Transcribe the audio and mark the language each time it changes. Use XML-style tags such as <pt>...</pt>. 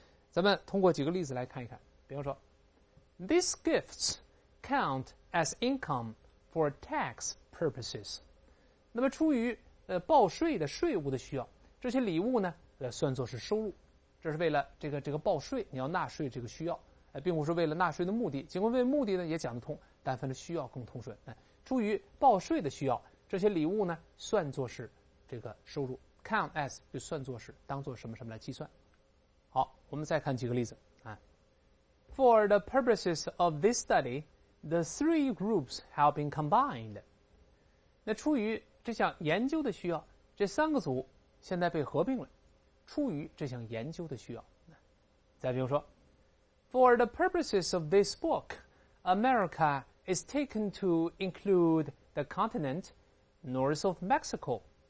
<zh>咱们通过几个例子来看一看，比方说</zh> <en>these gifts count as income for tax purposes，</en> <zh>那么出于报税的税务的需要，这些礼物呢算作是收入，这是为了这个报税，你要纳税这个需要，并不是为了纳税的目的，尽管为目的呢也讲得通，但分的需要更通顺，出于报税的需要，这些礼物呢算作是这个收入， count as 就算作是当作什么什么来计算。好，我们再看几个例子啊。</zh> <en>For the purposes of this studyThe three groups have been combined.</en> <zh>那出于这项研究的需要，这三个组现在被合并了。出于这项研究的需要。再比如说</zh> <en>,For the purposes of this book, America is taken to include the continent north of Mexico.</en>